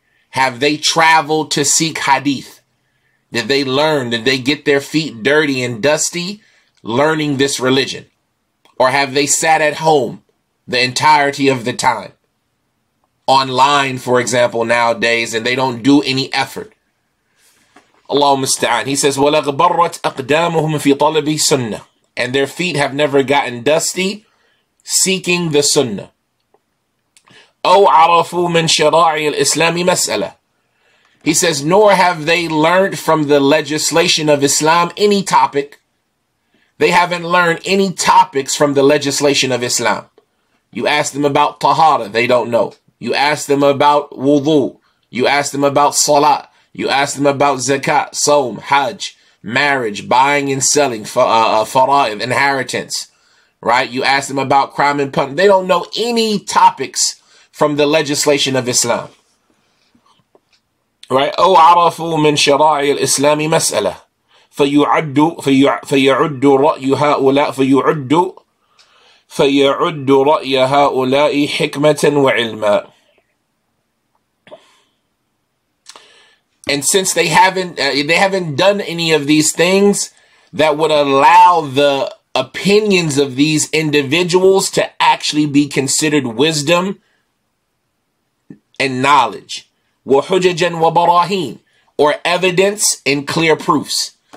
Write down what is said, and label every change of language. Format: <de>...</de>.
<en>Have they traveled to seek hadith? Did they learn? Did they get their feet dirty and dusty learning this religion? Or have they sat at home the entirety of the time, online, for example, nowadays, and they don't do any effort?</en> <ar>Allahumma musta'an.</ar> <en>He says,</en> <ar>وَلَغْبَرَّتْ أَقْدَامُهُمْ فِي طَلَبِ سُنَّةِ.</ar> <en>And their feet have never gotten dusty seeking the sunnah.</en> <ar>أَوْ عَرَفُوا مِنْ شَرَاعِ الْإِسْلَامِ مَسْأَلَةِ.</ar> <en>He says, nor have they learned from the legislation of Islam any topic. They haven't learned any topics from the legislation of Islam. You ask them about tahara, they don't know. You ask them about wudu. You ask them about salat. You ask them about zakat, sawm, hajj, marriage, buying and selling, fara'id, inheritance. Right? You ask them about crime and punishment. They don't know any topics from the legislation of Islam. Right?</en> <ar>أو عرفوا من شرائع الإسلام مسألة فيعدوا رأي هؤلاء فيعدوا رأي هؤلاء حكمة وعلماء.</ar> <en>And since they haven't done any of these things that would allow the opinions of these individuals to actually be considered wisdom and knowledge,</en> <ar>وَحُجَجًا وَبَرَاهِينَ,</ar> <en>or evidence and clear proofs.</en>